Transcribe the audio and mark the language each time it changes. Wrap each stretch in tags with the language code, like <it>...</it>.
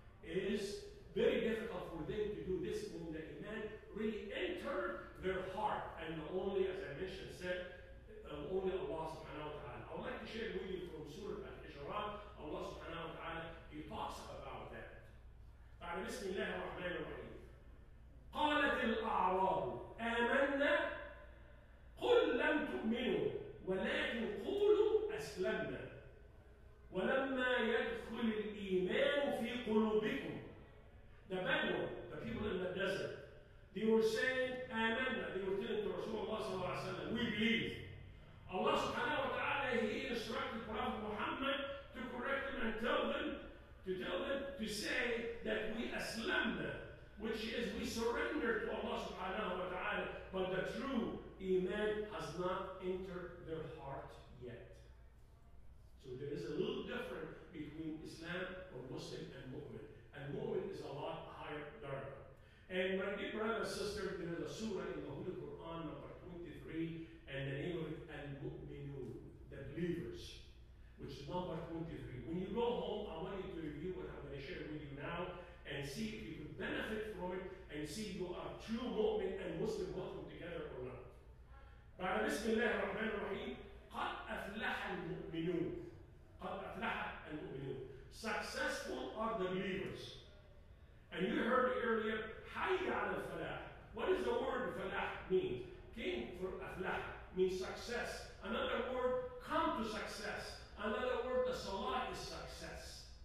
<en>It is very difficult for them to do this when the Iman really enter their heart. And only, as I mentioned, said, only Allah subhanahu wa ta'ala. I would like to share with you from Surah Al-Hijrat, Allah subhanahu wa ta'ala, he talks about that.</en> <ar>Bismillah ar-Rahman ar-Rahim. قالت الأعراب آمنا قل لم تؤمنوا ولكن قولوا أسلمنا ولما يدخل الإيمان في قلوبكم.</ar> <en>The Bedouin, the people in the desert, they were saying, Amanna, they were telling to Rasulullah</en> <ar>صلى الله عليه وسلم,</ar> <en>we believe. Allah subhanahu wa ta'ala, he instructed Prophet Muhammad to correct them and tell them to say that we aslamna, which is we surrender to Allah subhanahu wa ta'ala, but the true Iman has not entered their heart yet. So there is a little difference between Islam or Muslim and Mu'min. And Mu'min is a lot higher darja. And my dear brother and sister, there is a surah in the Holy Quran, number 23, and the name of it, Al-Mu'minun, the believers, which is number 23. When you go home, I want you to review what I'm going to share with you now and see if you can benefit from it and see if you are true mu'min and Muslim working together or not.</en> <ar>بعد بسم الله الرحمن الرحيم قد أفلح المؤمنون قد أفلح المؤمنون.</ar> <en>Successful are the believers. And you heard earlier</en> <ar>حي على الفلاح.</ar> <en>What does the word فلاح mean? Came from أفلاح means success. Another word, come to success. Another word, the salah is success.</en>